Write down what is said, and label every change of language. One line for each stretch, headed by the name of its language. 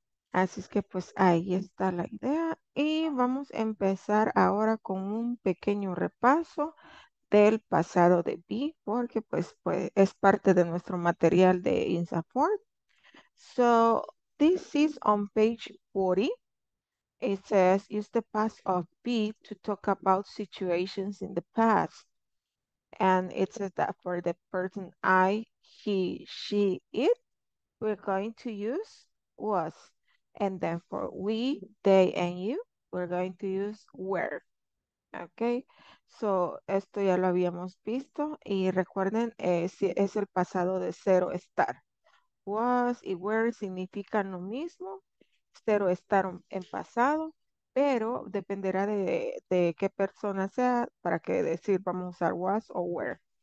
Spanish: Así es que pues ahí está la idea y vamos a empezar ahora con un pequeño repaso del pasado de be porque pues es parte de nuestro material de INSAFOR.
English: So, this is on page 40. It says, use the past of be to talk about situations in the past. And it says that for the person I, he, she, it, we're going to use was. And then for we, they, and you, we're going to use were.
Spanish: Okay, so esto ya lo habíamos visto. Y recuerden, si es el pasado de ser o estar. Was y were significan lo mismo, ser o estar en pasado, pero dependerá de qué persona sea para qué decir vamos a usar was o were.